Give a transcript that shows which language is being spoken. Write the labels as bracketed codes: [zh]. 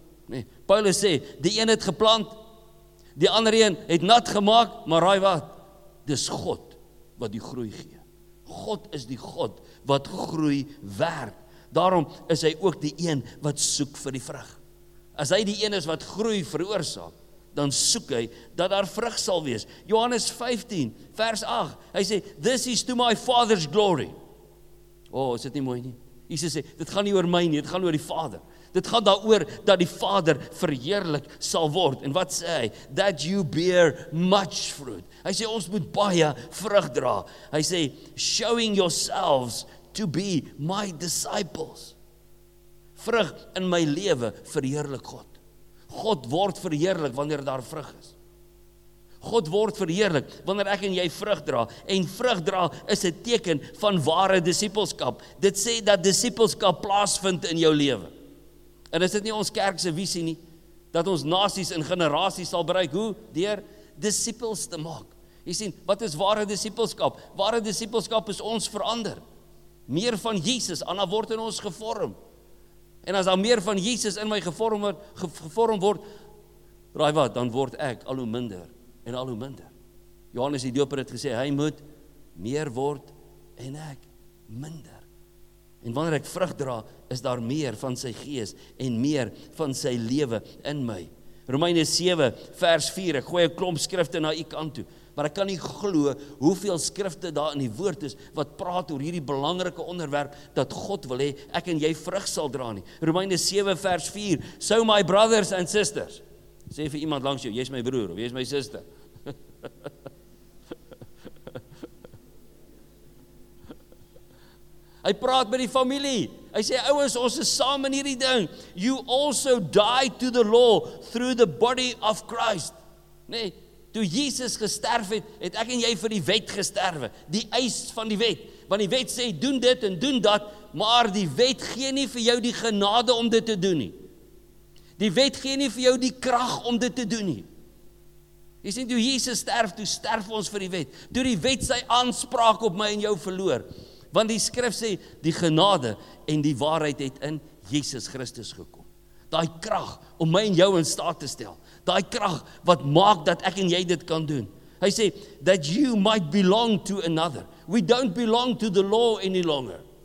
[af] Nee, Paulus sê, die een het geplant, die ander een het nat gemaak, maar raai wat, dis God wat die groei gee. God is die God wat groei werk. Daarom is hy ook die een wat soek vir die vrug. As hy die een is wat groei veroorsaak, dan soek hy, dat daar vrug sal wees. Johannes 15, vers 8, hy sê, [en] this is to my father's glory. [af] Oh, is dit nie mooi nie? Jesus sê, dit gaan nie oor my nie, dit gaan oor die vader. Dit gaan daar oor, dat die vader verheerlik sal word. En wat sê hy? [en] That you bear much fruit. [af] Hy sê, ons moet baie vrug dra. Hy sê, [en] showing yourselves to be my disciples. [af] Vrug in my lewe verheerlik God. God word verheerlik wanneer daar vrug is. God word verheerlik wanneer ek en jy vrug dra. En vrug dra is 'n teken van ware disippelskap. Dit sê dat disippelskap plaasvind in jou lewe. En is dit nie ons kerk se visie nie? Dat ons nasies en generasies sal bereik. Hoe? Deur disippels te maak. Jy sien, wat is ware disippelskap? Ware disippelskap is ons verander. Meer van Jesus, anders word in ons gevorm. En as daar meer van Jesus in my gevorm word, raai wat, dan word ek al hoe minder en al hoe minder. Johannes die Doper het gesê, hy moet meer word en ek minder. En wanneer ek vrug dra, is daar meer van sy gees en meer van sy lewe in my. Romeine 7 vers 4, ek gooi 'n klomp skrifte na u kant toe. maar ek kan nie glo hoeveel skrifte daar in die woord is wat praat oor hierdie belangrike onderwerp dat God wil hê ek en jy vrug sal dra nie. Romeine 7 vers 4. [en] So my brothers and sisters. [af] Sê vir iemand langs jou, jy is my broer of jy is my suster. Hy praat met die familie. Hy sê, ouwens, ons is saam in hierdie ding. [en] You also died to the law through the body of Christ. [af] Nee, toe Jesus gesterf het, het ek en jy vir die wet gesterwe. Die eis van die wet. Want die wet sê, doen dit en doen dat, maar die wet gee nie vir jou die genade om dit te doen nie. Die wet gee nie vir jou die krag om dit te doen nie. Jy sê, toe Jesus sterf, toe sterf ons vir die wet. Toe die wet sy aanspraak op my en jou verloor. Want die skrif sê, die genade en die waarheid het in Jesus Christus gekom. Daai krag om my en jou in staat te stel. Daai krag wat maak dat ek en jy dit kan doen. Hy sê, [en] that you might belong to another. We don't belong to the law any longer.